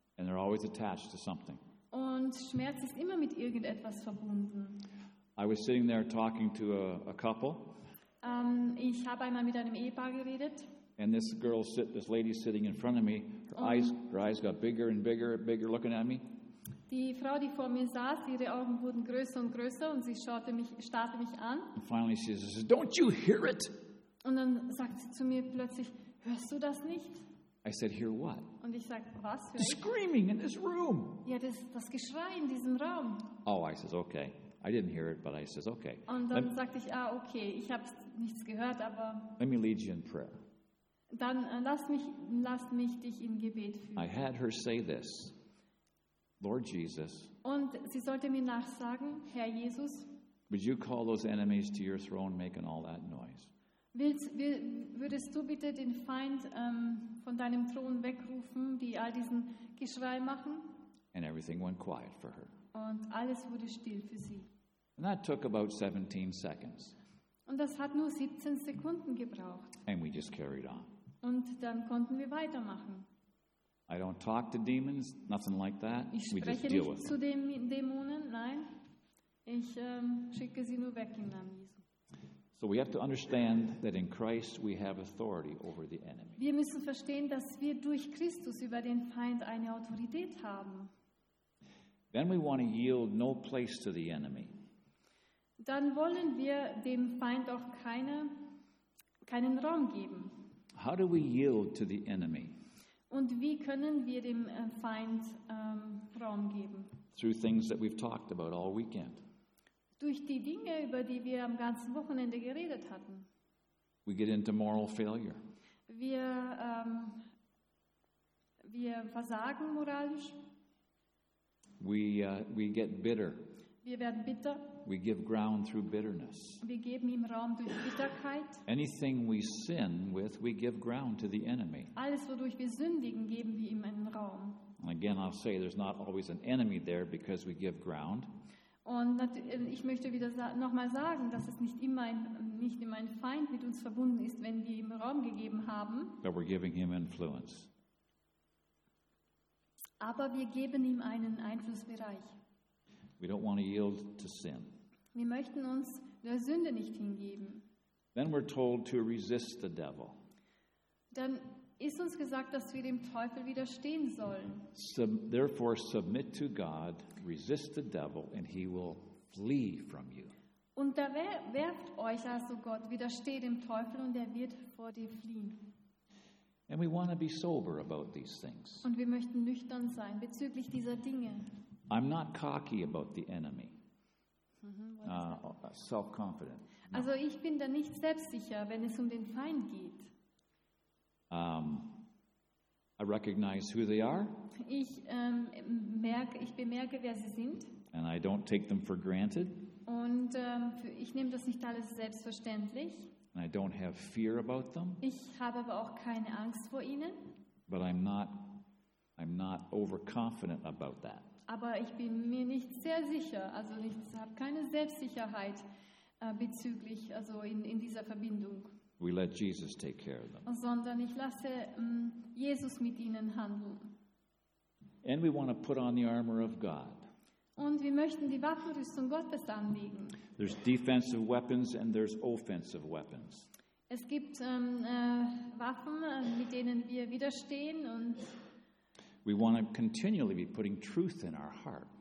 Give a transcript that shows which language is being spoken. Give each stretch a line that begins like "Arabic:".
English: And they're always attached to something.
German: Und Schmerz ist immer mit irgendetwas verbunden.
English: I was sitting there talking to a couple.
German: Ich habe einmal mit einem Ehepaar geredet.
English: And this lady sitting in front of me, her eyes got bigger and bigger and bigger looking at me.
German: Die Frau, die vor mir saß, ihre Augen wurden größer und größer und sie starrte mich an.
English: And finally she says, "Don't you hear it?"
German: Und dann sagt sie zu mir plötzlich, "Hörst du das nicht?"
English: I said, "Hear what?"
German: Und ich sag, was höre ich?
English: Screaming in this room.
German: Ja, das Geschrei in diesem Raum.
English: Oh, I says, okay. I didn't hear it, but I says, okay.
German: Und dann sagte ich, okay, ich habe nichts gehört, aber.
English: Let me lead you in prayer.
German: Dann lass mich dich im Gebet führen.
English: I had her say this, Lord Jesus.
German: Und sie sollte mir nachsagen, Herr Jesus.
English: Would you call those enemies to your throne, making all that noise?
German: Würdest du bitte den Feind von deinem Thron wegrufen, die all diesen Geschrei machen?
English: And everything went quiet for her.
German: Und alles wurde still für sie.
English: And that took about 17 seconds.
German: Und das hat nur 17 Sekunden gebraucht.
English: And we just carried on.
German: Und dann konnten wir weitermachen.
English: I don't talk to demons, nothing like that.
German: Ich spreche
English: we just deal
German: nicht
English: with them.
German: Zu den Dämonen, nein. Ich schicke sie nur weg im Namen Jesu.
English: So we have to understand that in Christ we have authority over the enemy.
German: Wir müssen verstehen, dass wir durch Christus über den Feind eine Autorität haben.
English: Then we want to yield no place to the enemy.
German: Dann wollen wir dem Feind auch keinen Raum geben.
English: How do we yield to the enemy?
German: Und wie können wir dem Feind Raum geben?
English: Through things that we've talked about all weekend.
German: Durch die Dinge, über die wir am ganzen Wochenende geredet hatten.
English: We get into moral failure.
German: Wir versagen moralisch.
English: We get bitter.
German: Wir werden bitter.
English: We give ground through bitterness.
German: Wir geben ihm Raum durch Bitterkeit.
English: Anything we sin with, we give ground to the enemy.
German: Alles, wodurch wir sündigen, geben wir ihm einen Raum.
English: And again, I'll say there's not always an enemy there because we give ground.
German: Und ich möchte wieder nochmal sagen, dass es nicht immer ein Feind mit uns verbunden ist, wenn wir ihm Raum gegeben haben.
English: But we're giving him influence.
German: Aber wir geben ihm einen Einflussbereich.
English: We don't want to yield to sin.
German: Wir möchten uns der Sünde nicht hingeben.
English: Then we're told to resist the devil.
German: Dann ist uns gesagt, dass wir dem Teufel widerstehen sollen.
English: Therefore submit to God, resist the devil, and he will flee from you.
German: Unterwerft euch also Gott, widersteht dem Teufel und er wird vor dir fliehen.
English: And we want to be sober about these things.
German: Und wir möchten nüchtern sein bezüglich dieser Dinge.
English: I'm not cocky about the enemy. Self-confident. No.
German: Also ich bin da nicht selbstsicher, wenn es um den Feind geht.
English: I recognize who they are.
German: Ich bemerke, wer sie sind.
English: And I don't take them for granted.
German: Und ich nehme das nicht alles selbstverständlich.
English: And I don't have fear about them.
German: Ich habe aber auch keine Angst vor ihnen.
English: But I'm not overconfident about that.
German: Aber ich bin mir nicht sehr sicher, also ich habe keine Selbstsicherheit bezüglich, also in dieser Verbindung.
English: We let Jesus take care of them.
German: Sondern ich lasse Jesus mit ihnen handeln.
English: And we want to put on the armor of God.
German: Und wir möchten die Waffenrüstung Gottes anlegen.
English: There's defensive weapons and there's offensive weapons.
German: Es gibt Waffen, mit denen wir widerstehen und
English: we want to continually be putting truth in our heart.